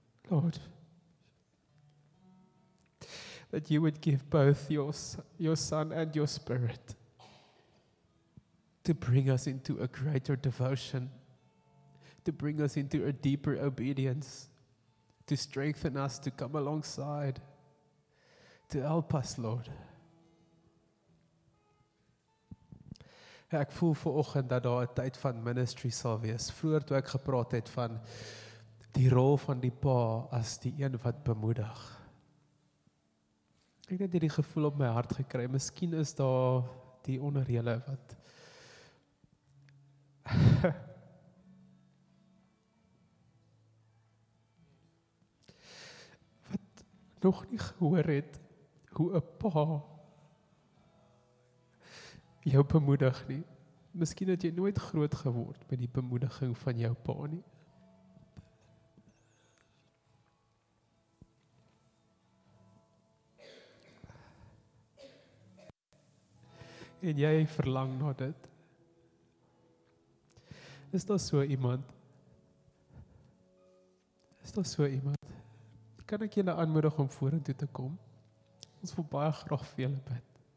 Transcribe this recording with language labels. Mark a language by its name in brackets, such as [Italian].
[English] Lord, that you would give both your Son and your Spirit to bring us into a greater devotion, to bring us into a deeper obedience, to strengthen us to come alongside, to help us, Lord. [Afrikaans] Ek voel vanoggend dat daar 'n tyd van ministry sal wees. Vroeger toe ek gepraat het van die rol van die pa as die een wat bemoedig. Ek het hierdie gevoel op my hart gekry. Miskien is daar die onder julle wat wat nog nie gehoor het hoe 'n pa jou bemoedig nie. Miskien het jy nooit groot geword met die bemoediging van jou pa nie. En jy verlang na dit. Is daar so iemand? Is daar so iemand? Kan ek julle aanmoedig om vorentoe te kom? Ons wil baie graag vir julle bid.